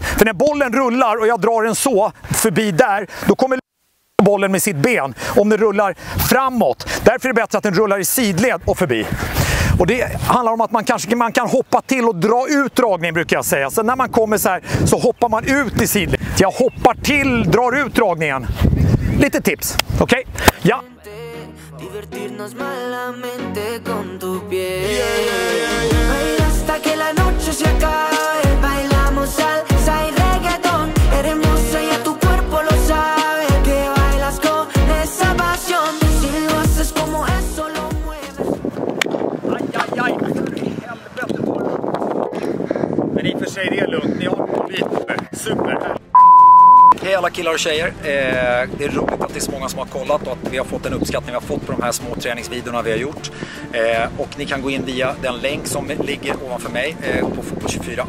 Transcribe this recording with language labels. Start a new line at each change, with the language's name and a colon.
Swedish: För när bollen rullar och jag drar den så förbi där, då kommer bollen med sitt ben om den rullar framåt. Därför är det bättre att den rullar i sidled och förbi. Och det handlar om att man kan hoppa till och dra ut dragningen, brukar jag säga. Så när man kommer så här så hoppar man ut i sidled. Jag hoppar till, drar ut dragningen. Lite tips, okej? Okay? Ja.
Spanish: Divertirnos malamente con tu pie. Baila hasta que la noche se acabe. Bailamos salsa y reggaeton. Eres hermosa y a tu cuerpo lo sabe. Que bailas con esa pasión. Si lo haces como eso lo mueve. Aj, aj, aj.
Swedish: Men i och för sig är det lugnt. Ni har lite super. Hej alla killar och tjejer, det är roligt att det är så många som har kollat och att vi har fått en uppskattning vi har fått på de här små träningsvideorna vi har gjort. Och ni kan gå in via den länk som ligger ovanför mig på Fotboll 24.